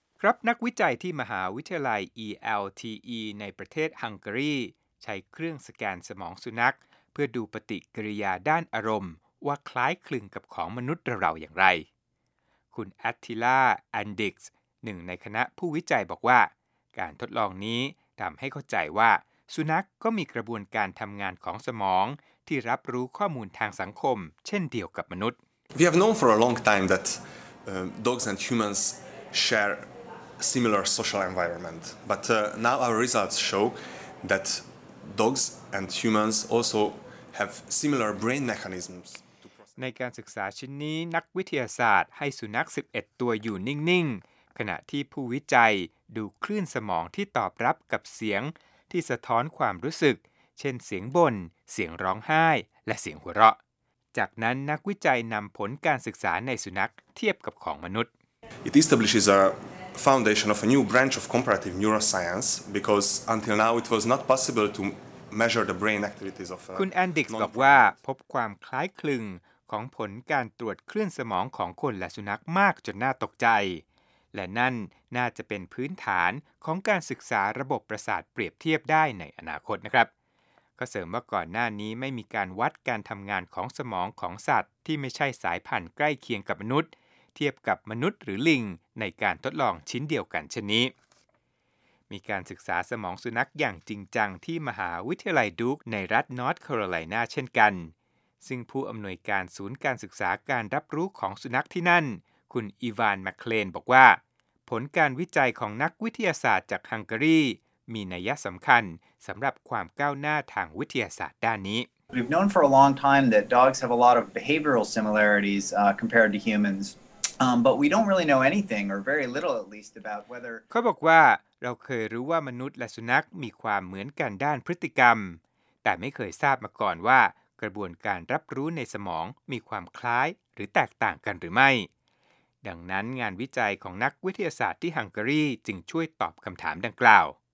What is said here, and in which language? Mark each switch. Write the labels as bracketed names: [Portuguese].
[Thai] ครับนักวิจัยที่มหาวิทยาลัย ELTE ในประเทศฮังการีใช้เครื่องสแกนสมองสุนัขเพื่อดูปฏิกิริยาด้านอารมณ์ว่าคล้ายคลึงกับของมนุษย์เราอย่างไรคุณแอตติล่าแอนดิกส์หนึ่งในคณะผู้วิจัยบอกว่าการทดลองนี้ทำให้เข้าใจว่าสุนัขก็มีกระบวนการทำงานของสมองที่รับรู้ข้อมูลทางสังคมเช่นเดียวกับมนุษย์ [English] We have known for a long time that dogs and humans share similar social environment but now our results show that dogs and humans also have similar brain mechanisms [Thai] ในการศึกษาชิ้นนี้นักวิทยาศาสตร์ให้สุนัข11ตัวอยู่นิ่งๆขณะที่ผู้วิจัยดูคลื่นสมองที่ตอบรับกับเสียงที่สะท้อนความรู้สึกเช่นเสียงบ่นเสียงร้องไห้และเสียงหัวเราะจากนั้นนักวิจัยนำผลการศึกษาในสุนัขเทียบกับของมนุษย์ [English] It establishes a foundation of a new branch of comparative neuroscience because until now it was not possible to measure the brain activities of [Thai] คุณแอนดิกส์บอกว่าพบความคล้ายคลึงของผลการตรวจคลื่นสมองของคนและสุนัขมากจนน่าตกใจและนั่นน่าจะเป็นพื้นฐานของการศึกษาระบบประสาทเปรียบเทียบได้ในอนาคตนะครับก็เสริมว่าก่อนหน้านี้ไม่มีการวัดการทำงานของสมองของสัตว์ที่ไม่ใช่สายพันธุ์ใกล้เคียงกับมนุษย์เทียบกับมนุษย์หรือลิงในการทดลองชิ้นเดียวกันเช่นนี้ มีการศึกษาสมองสุนัขอย่างจริงจังที่มหาวิทยาลัยดูกในรัฐนอร์ทแคโรไลนาเช่นกันซึ่งผู้อำนวยการศูนย์การศึกษาการรับรู้ของสุนัขที่นั่นคุณอีวานแมคเคลนบอกว่าผลการวิจัยของนักวิทยาศาสตร์จากฮังการีมีนัยสำคัญสำหรับความก้าวหน้าทางวิทยาศาสตร์ด้านนี้ [English] We've known for a long time that dogs have a lot of behavioral similarities compared to humans but we don't really know anything or very little at least about whether [Thai] เขาบอกว่าเราเคยรู้ว่ามนุษย์และสุนัขมีความเหมือนกันด้านพฤติกรรมแต่ไม่เคยทราบมาก่อนว่ากระบวนการรับรู้ในสมองมีความคล้ายหรือแตกต่างกันหรือไม่ดังนั้นงานวิจัยของนักวิทยาศาสตร์ที่ฮังการีจึงช่วยตอบคำถามดังกล่าว